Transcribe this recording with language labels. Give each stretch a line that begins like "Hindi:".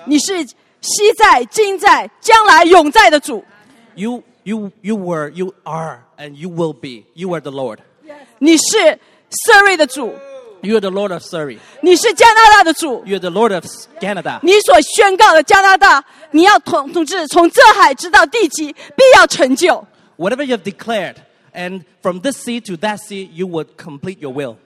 Chinese: 你是昔在、今在、将来、永在的主。
English: You were, you are, and you will be. You are the Lord.
Chinese: 你是 Surrey 的主。
English: You are the Lord of Surrey.
Chinese: 你是加拿大的主。
English: You are the Lord of Canada.
Chinese: 你所宣告的加拿大，你要统治从这海直到地极，必要成就。
English: Whatever you have declared. And from this sea to that sea, you would complete your will.